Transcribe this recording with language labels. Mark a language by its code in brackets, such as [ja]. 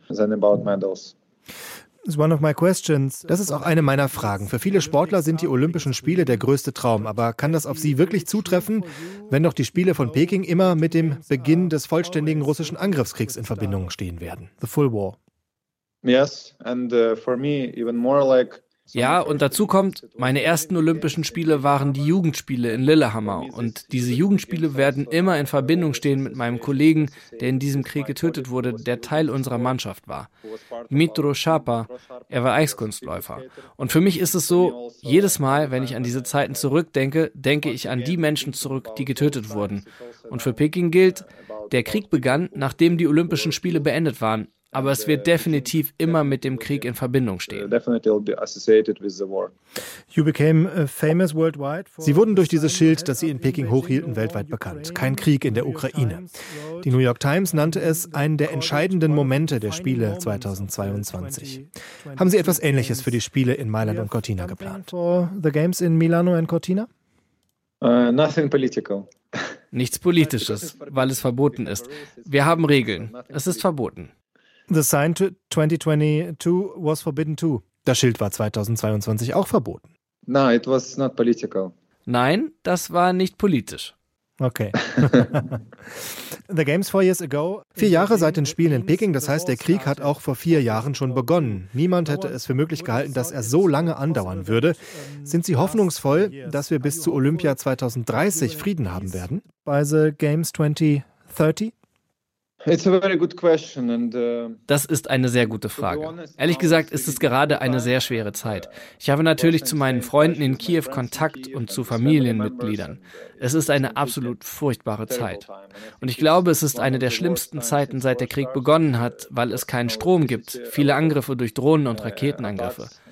[de] Das ist auch eine meiner Fragen. Für viele Sportler sind die Olympischen Spiele der größte Traum. Aber kann das auf Sie wirklich zutreffen, wenn doch die Spiele von Peking immer mit dem Beginn des vollständigen russischen Angriffskriegs in Verbindung stehen werden? [en] The full war. Yes, and for me even more like. [de] Ja, und dazu kommt, meine ersten Olympischen Spiele waren die Jugendspiele in Lillehammer. Und diese Jugendspiele werden immer in Verbindung stehen mit meinem Kollegen, der in diesem Krieg getötet wurde, der Teil unserer Mannschaft war. Dmytro Sharpa, er war Eiskunstläufer. Und für mich ist es so, jedes Mal, wenn ich an diese Zeiten zurückdenke, denke ich an die Menschen zurück, die getötet wurden. Und für Peking gilt, der Krieg begann, nachdem die Olympischen Spiele beendet waren. Aber es wird definitiv immer mit dem Krieg in Verbindung stehen. Sie wurden durch dieses Schild, das Sie in Peking hochhielten, weltweit bekannt. Kein Krieg in der Ukraine. Die New York Times nannte es einen der entscheidenden Momente der Spiele 2022. Haben Sie etwas Ähnliches für die Spiele in Mailand und Cortina geplant? [en] Nothing political. [de] Nichts Politisches, weil es verboten ist. Wir haben Regeln. Es ist verboten. [en] The sign to 2022 was forbidden too. [de] Das Schild war 2022 auch verboten. [en] No, it was not political. [de] Nein, das war nicht politisch. [en] Okay. The Games 4 years ago. [de] 4 Jahre seit den Spielen in Peking, das heißt, der Krieg hat auch vor 4 Jahren schon begonnen. Niemand hätte es für möglich gehalten, dass er so lange andauern würde. Sind Sie hoffnungsvoll, dass wir bis zu Olympia 2030 Frieden haben werden? [en] By the Games 2030? It's a very good question and, [de] das ist eine sehr gute Frage. Ehrlich gesagt ist es gerade eine sehr schwere Zeit. Ich habe natürlich zu meinen Freunden in Kiew Kontakt und zu Familienmitgliedern. Es ist eine absolut furchtbare Zeit. Und ich glaube, es ist eine der schlimmsten Zeiten, seit der Krieg begonnen hat, weil es keinen Strom gibt, viele Angriffe durch Drohnen und Raketenangriffe.